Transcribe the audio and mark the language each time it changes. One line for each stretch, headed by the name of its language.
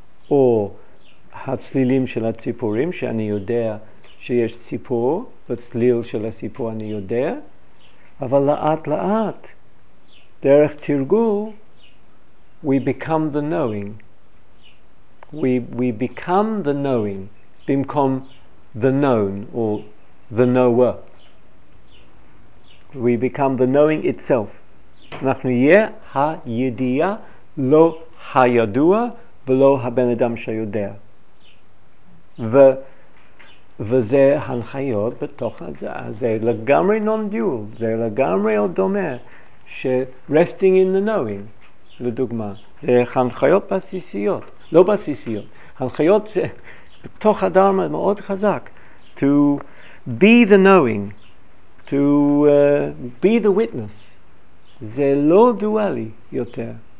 Hebrew: או הצלילים של הציפורים, שאני יודע שיש ציפור, וצליל של הציפור אני יודע, אבל לאט לאט, דרך תרגול,
English: we become the knowing. We become the knowing,
Hebrew: במקום
English: the known, or the knower. We become the knowing itself.
Hebrew: אנחנו יהיה הידיעה, לא הידוע, ולא הבן אדם שיודע. וזה הנחיות בתוך הזה, זה לגמרי non-dual, זה לגמרי עוד דומה ש-
English: resting in the knowing,
Hebrew: לדוגמה, זה הנחיות בסיסיות, לא בסיסיות, הנחיות זה בתוך הדרמה מאוד חזק,
English: to be the knowing, to be the witness,
Hebrew: זה לא דואלי יותר.